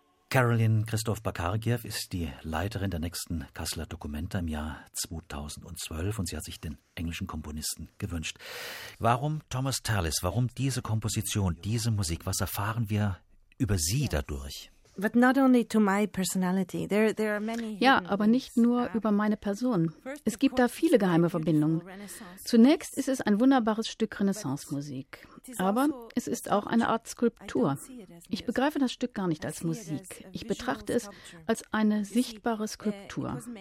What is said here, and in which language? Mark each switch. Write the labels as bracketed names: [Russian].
[German] Caroline Christoph Bakarkiew ist die Leiterin der nächsten Kasseler Documenta im Jahr 2012 und sie hat sich den englischen Komponisten gewünscht. Warum Thomas Tallis? Warum diese Komposition, diese Musik? Was erfahren wir über sie dadurch? [English] But not only to my personality. There are many. [German] Ja, aber nicht nur über meine Person. Es gibt da viele geheime Verbindungen. Zunächst ist es ein wunderbares Stück Renaissance-Musik. Aber es ist auch eine Art Skulptur. Ich begreife das Stück gar nicht als Musik. Ich betrachte es als eine sichtbare Skulptur.